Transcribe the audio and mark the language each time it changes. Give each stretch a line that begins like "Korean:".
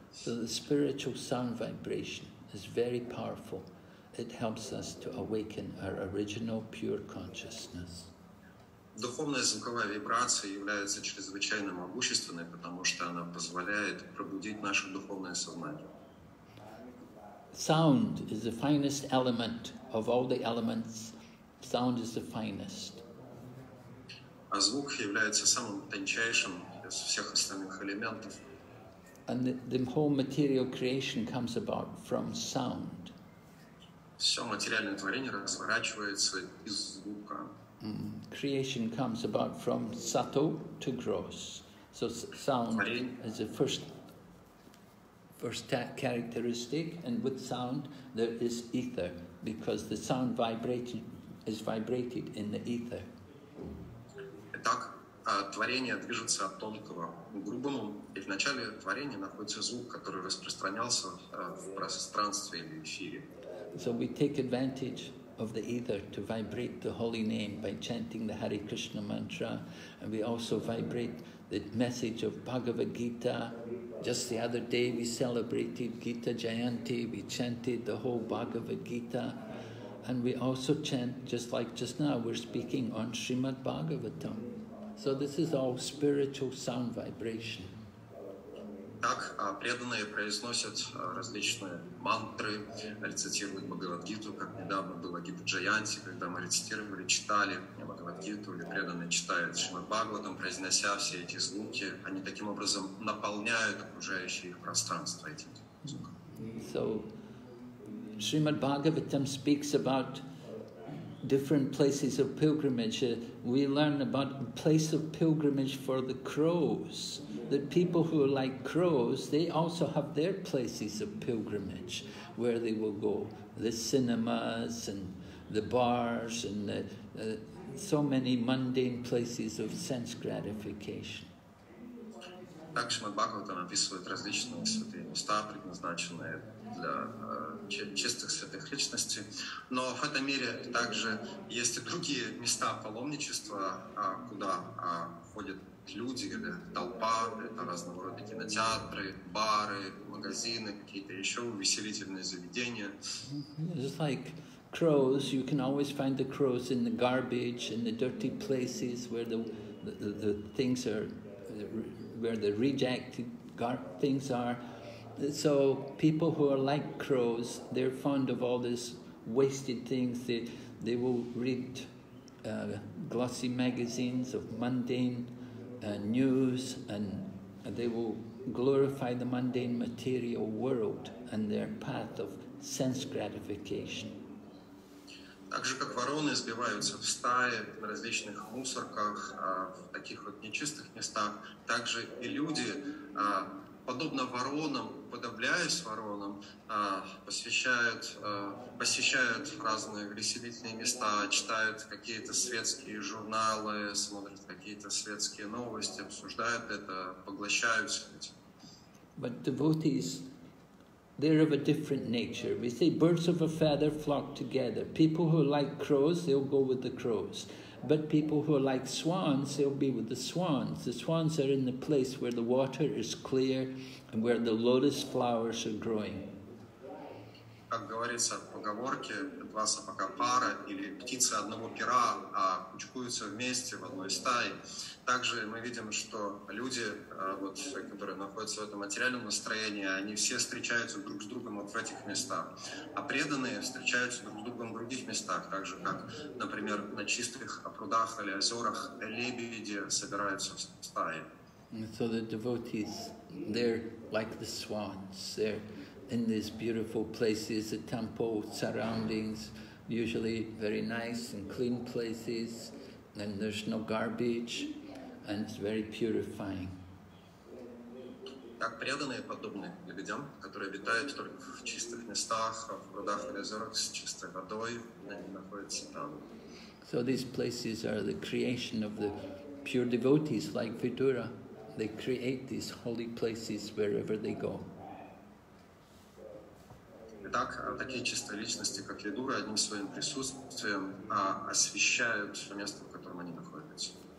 English: So the spiritual sound vibration is very powerful. It helps us to awaken our original pure consciousness.
Russian: Духовная звуковая вибрация является чрезвычайно могущественной, потому что она позволяет пробудить наше духовное сознание.
English: Sound is the finest element of all the elements. Sound is the finest.
Russian: А звук является самым тончайшим из всех остальных элементов.
English: And the whole material creation comes about from sound.
Russian: Все материальное творение разворачивается из звука.
English: Creation comes about from subtle to gross. So sound is the first first characteristic, and with sound there is ether, because the sound vibrated is vibrated in the ether.
Russian: Итак, творение движется от тонкого к грубому, и в начале творения находится звук, который распространялся в пространстве или эфире.
English: So we take advantage of the ether to vibrate the holy name by chanting the Hare Krishna mantra, and we also vibrate the message of Bhagavad Gita. Just the other day we celebrated Gita Jayanti, we chanted the whole Bhagavad Gita, and we also chant, just like just now, we're speaking on Srimad Bhagavatam. So this is all spiritual sound vibration.
Russian: Так, преданные произносят различные мантры, рецитируют Бхагавад-гиту, как недавно было Гита-джаянти, когда мы рецитировали, читали Бхагавад-гиту, или преданные читают Шримад-Бхагаватам, произнося все эти звуки, они таким образом наполняют окружающее их пространство этим звуком.
English: So, Шримад-Бхагаватам speaks about different places of pilgrimage. We learn about a place of pilgrimage for the crows. That people who are like crows, they also have their places of pilgrimage where they will go. The cinemas and the bars and the, so many mundane places of sense gratification.
Russian: Так Шримад Бхагаватам описывает различные святые места, предназначенные для чистых святых личностей. Но в этом мире также есть и другие места паломничества, куда ходят люди, или толпа, это разного рода кинотеатры, бары, магазины, какие-то еще увеселительные заведения.
English: Just like crows, you can always find the crows in the garbage, in the dirty places where the things are, where the rejected things are. So people who are like crows, they're fond of all these wasted things. They will read glossy magazines of mundane news, and they will glorify the mundane material world and their path of sense gratification.
Russian: Так же, как вороны сбиваются в стаи на различных мусорках, в таких вот нечистых местах, так же и люди, подобно воронам, подобляясь воронам, посещают разные веселительные места, читают какие-то светские журналы, смотрят какие-то светские новости, обсуждают это, поглощаются этим.
English: But devotees, they're of a different nature. We say birds of a feather flock together. People who like crows, they'll go with the crows. But people who like swans, they'll be with the swans. The swans are in the place where the water is clear and where the lotus flowers are growing.
Russian: Как говорится в поговорке, два сапога пара или птицы одного пера кучкуются вместе в одной стае. Также мы видим, что люди, вот, которые находятся в этом материальном настроении, они все встречаются друг с другом вот в этих местах. А преданные встречаются друг с другом в других местах, так же как, например, на чистых прудах или озерах лебеди собираются в стае.
English: So the devotees, they're like the swans. They're in these beautiful places, the temple surroundings, usually very nice and clean places, and there's no garbage, and it's very purifying.
Russian: Так преданные подобные людям, которые обитают только в чистых местах, в прудах или озерах с чистой водой, они находятся там.
English: So these places are the creation of the pure devotees, like Vidura. They create these holy places wherever they go.
Russian: Итак, такие чистые личности, как Видура, одним своим присутствием освещают все место, в котором они находятся.